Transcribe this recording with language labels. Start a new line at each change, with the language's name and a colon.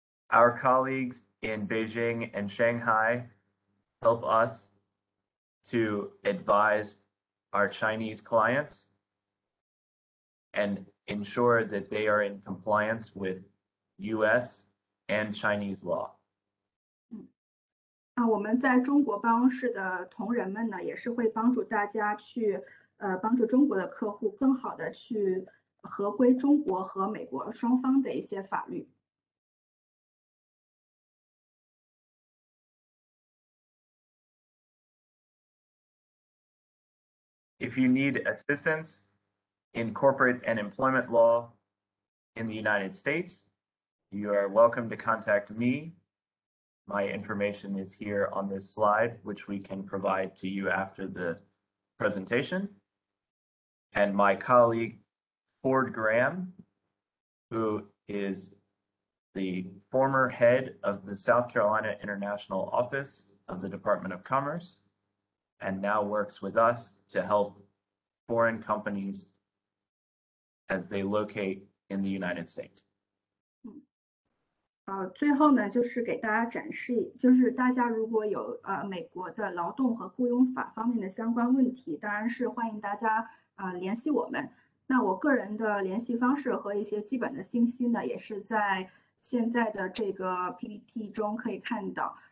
English: Our colleagues in Beijing and Shanghai help us to advise our Chinese clients and ensure that they are in compliance with US and Chinese law.
Chinese: 我们在中国办公室的同仁们呢，也是会帮助大家去帮助中国的客户更好的去合规中国和美国双方的一些法律。
English: If you need assistance in corporate and employment law in the United States, you are welcome to contact me. My information is here on this slide, which we can provide to you after the presentation. And my colleague, Ford Graham, who is the former head of the South Carolina International Office of the Department of Commerce, and now works with us to help foreign companies as they locate in the United States.
Chinese: 最后呢，就是给大家展示，就是大家如果有美国的劳动和雇佣法方面的相关问题，当然是欢迎大家联系我们。那我个人的联系方式和一些基本的信息呢，也是在现在的这个 PPT 中可以看到。